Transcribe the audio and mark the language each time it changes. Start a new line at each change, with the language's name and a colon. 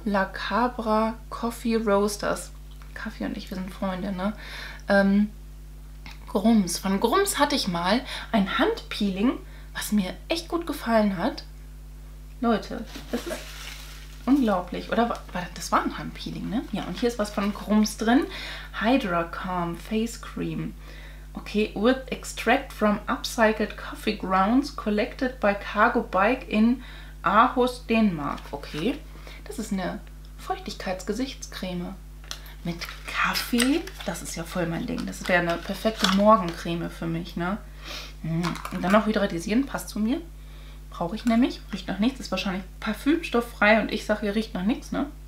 German: La Cabra Coffee Roasters. Kaffee und ich, wir sind Freunde, ne? Grums. Von Grums hatte ich mal ein Handpeeling, was mir echt gut gefallen hat. Leute, das ist unglaublich. Oder das war ein Handpeeling, ne? Ja, und hier ist was von Grums drin.
English: Hydra Calm Face Cream. Okay, with extract from upcycled coffee grounds collected by Cargo Bike in Aarhus, Dänemark.
German: Okay, das ist eine Feuchtigkeitsgesichtscreme. Mit Kaffee? Das ist ja voll mein Ding. Das wäre eine perfekte Morgencreme für mich, ne? Und dann noch hydratisieren, passt zu mir. Brauche ich nämlich. Riecht nach nichts. Ist wahrscheinlich parfümstofffrei und ich sage, ihr riecht nach nichts, ne?